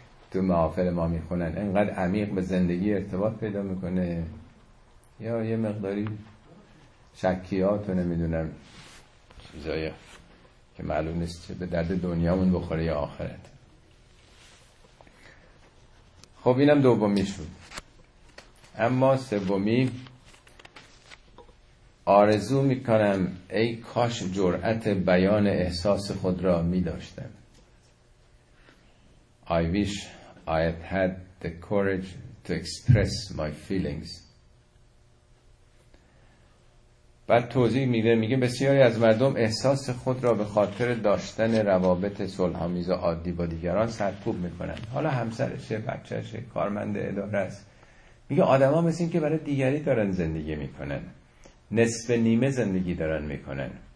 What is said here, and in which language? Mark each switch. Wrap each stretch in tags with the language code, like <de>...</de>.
<fa>تو محافل ما میخونن انقدر عمیق به زندگی ارتباط پیدا میکنه، یا یه مقداری شکیات و نمیدونم چیزایی که معلوم نیست چه به درد دنیامون بخوره یا آخرت. خب اینم دومی شد. اما سومی، آرزو میکنم ای کاش جرأت بیان احساس خود را میداشتم.</fa> <en>I wish I had had the courage to express my feelings.</en> <fa>بعد توضیح میده، میگه بسیاری از مردم احساس خود را به خاطر داشتن روابط صلح‌آمیز و عادی با دیگران سرکوب میکنن. حالا همسرشه، بچهشه، کارمند اداره است. میگه آدم ها مثل این که برای دیگری دارن زندگی میکنن، نصف نیمه زندگی دارن میکنن.</fa>